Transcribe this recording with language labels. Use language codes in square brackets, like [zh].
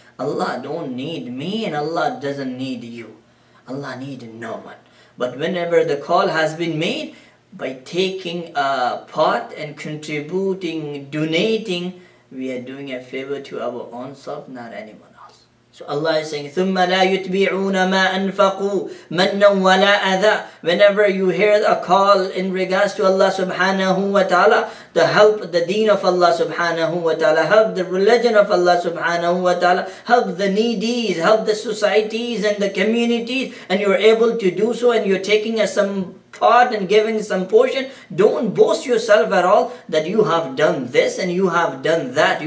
[en] Allah don't need me and Allah doesn't need you. Allah need no one. But whenever the call has been made, by taking a part and contributing, donating, we are doing a favor to our own self, not anyone else. So Allah is saying, [ar] ثُمَّ لَا يُتْبِعُونَ مَا أَنْفَقُوا مَنَّا وَلَا أَذَىٰ. [en] Whenever you hear a call in regards to Allah subhanahu wa ta'ala, to help the deen of Allah subhanahu wa ta'ala, help the religion of Allah subhanahu wa ta'ala, help the needies, help the societies and the communities, and you're able to do so, and you're taking some part and giving some portion, don't boast yourself at all that you have done this and you have done that.